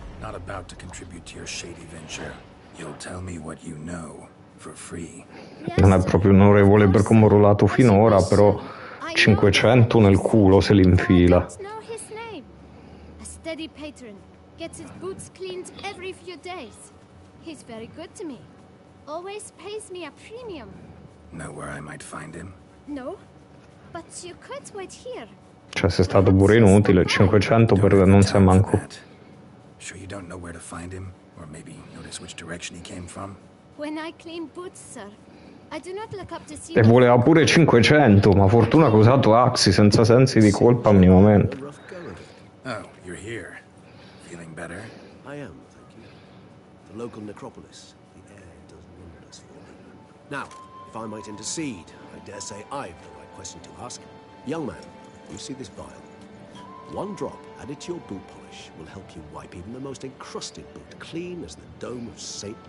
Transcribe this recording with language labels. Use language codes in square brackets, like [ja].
[en] Not about to contribute to your shady venture. You'll tell me what you know, for free. [it] non è proprio onorevole per come ho rullato finora, però 500 nel culo se li infila. [en] Gets his boots cleaned every few days. He's very good to me. Always pays me a premium. Know where I might find him? No. But you could wait here. [it] Cioè, sei stato pure inutile. 500 per non sai manco. [en] Sure you don't know where to find him? Or maybe notice which direction he came from? When I clean boots, sir, I do not look up to see... [it] E voleva pure 500, ma fortuna che ho usato Axi senza sensi di colpa minimamente. [en] Oh, you're here. Better. I am, thank you. The local necropolis, the air does wonders for me. Now, if I might intercede, I dare say I've the right question to ask. Young man, you see this vial? One drop added to your boot polish will help you wipe even the most encrusted boot clean as the dome of St.